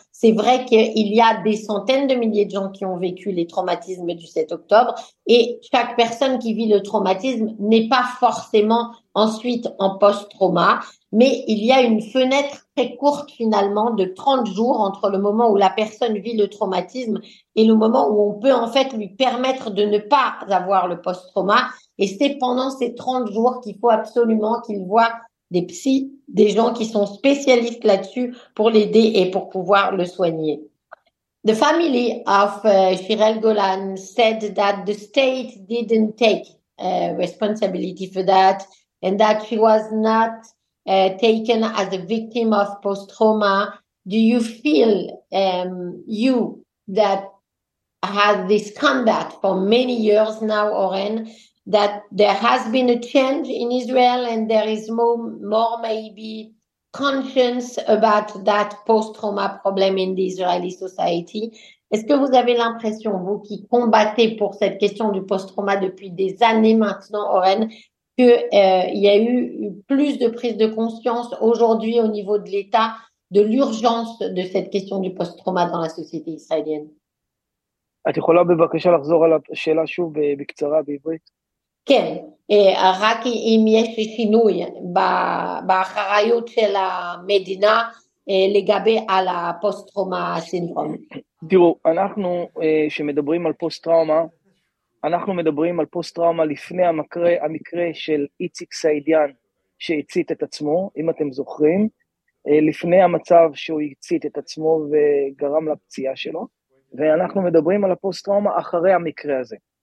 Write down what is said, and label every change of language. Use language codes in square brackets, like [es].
[fr] C'est vrai qu'il y a des centaines de milliers de gens qui ont vécu les traumatismes du 7 octobre et chaque personne qui vit le traumatisme n'est pas forcément ensuite en post-trauma, mais il y a une fenêtre très courte finalement de 30 jours entre le moment où la personne vit le traumatisme et le moment où on peut en fait lui permettre de ne pas avoir le post-trauma. Et c'est pendant ces 30 jours qu'il faut absolument qu'il voit des psys, des gens qui sont spécialistes là-dessus pour l'aider et pour pouvoir le soigner. [en] The family of Shirel Golan said that the state didn't take responsibility for that and that she was not taken as a victim of post-trauma. Do you feel you that had this combat for many years now, Oren, that there has been a change in Israel and there is more maybe conscience about that post-trauma problem in the Israeli society. [fr] Est-ce que vous avez l'impression, vous qui combattez pour cette question du post-trauma depuis des années maintenant, Oren, qu'il y a eu plus de prise de conscience aujourd'hui au niveau de l'État de l'urgence de cette question du post-trauma dans la société israélienne? [he] את יכולה בבקשה לחזור על השאלה שוב בקצרה בעברית? כן, רק אם יש שינוי באחריות של המדינה לגבי על הפוסט-טראומה סינדרום. תראו, אנחנו שמדברים על פוסט-טראומה, אנחנו מדברים על פוסט-טראומה לפני המקרה של איציק סעידיאן שהצית את עצמו, אם אתם זוכרים, לפני המצב שהוא הצית את עצמו וגרם לפציעה שלו, ואנחנו מדברים על הפוסט-טראומה אחרי המקרה הזה.